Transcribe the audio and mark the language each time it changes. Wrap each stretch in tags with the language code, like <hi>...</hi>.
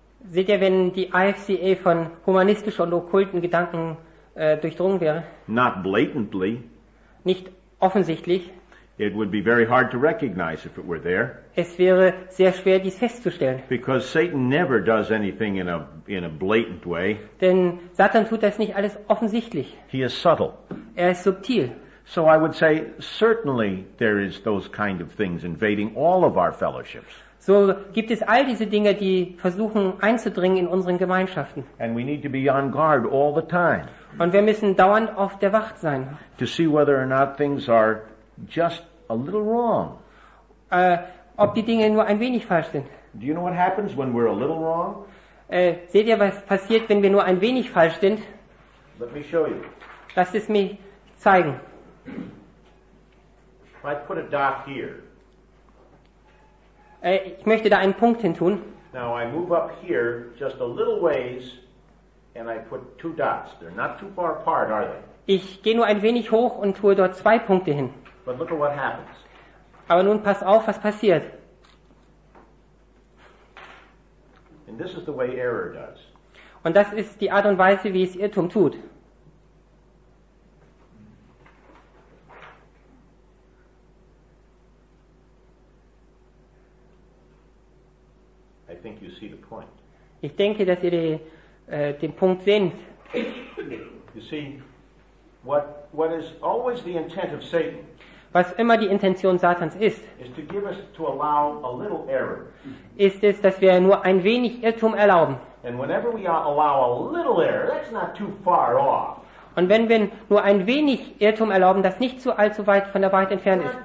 <de>Seht ihr, wenn die IFCA von humanistischen und okkulten Gedanken durchdrungen wäre?</de> <en>Not blatantly.</en> <de>Nicht offensichtlich.</de> <en>It would be very hard to recognize if it were there.</en> <de>Es wäre sehr schwer, dies festzustellen.</de> <en>Because Satan never does anything in a blatant way.</en> <de>Denn Satan tut das nicht alles offensichtlich.</de> <en>He is subtle.</en> <de>Er ist subtil.</de> <en>So I would say, certainly there is those kind of things invading all of our fellowships.</en> <de>So gibt es all diese Dinge, die versuchen einzudringen in unseren Gemeinschaften.</de> <en>And we need to be on guard all the time.</en> <de>Und wir müssen dauernd auf der Wacht sein.</de> <en>To see whether or not things are just a little wrong.</en> <de>Ob die Dinge nur ein wenig falsch sind.</de> <en>Do you know what happens when we're a little wrong?</en> <de>Seht ihr, was passiert, wenn wir nur ein wenig falsch sind?</de> <en>Let me show you.</en> <de>Lass es mich zeigen.</de> <en>If I put a dot here.</en> <de>Ich möchte da einen Punkt hin tun.</de> <en>Now I move up here just a little ways and I put two dots. They're not too far apart, are they?</en> <de>Ich gehe nur ein wenig hoch und tue dort zwei Punkte hin.</de> <en>But look at what happens.</en> <de>Aber nun pass auf, was passiert.</de> <en>And this is the way error does.</en> <de>Und das ist die Art und Weise, wie es Irrtum tut.</de> <en>I think you see the point.</en> <de>Ich denke, dass ihr den Punkt seht.</de> <en>You see, what is always the intent of Satan?</en> <de>Was immer die Intention Satans ist,</de> <en>is to give us, to allow a little error.</en> <de>Ist es, dass wir nur ein wenig Irrtum erlauben.</de> <en>And whenever we allow a little error, that's not too far off.</en> <de>Und wenn wir nur ein wenig Irrtum erlauben, das nicht so allzu weit von der Wahrheit entfernt ist.</de>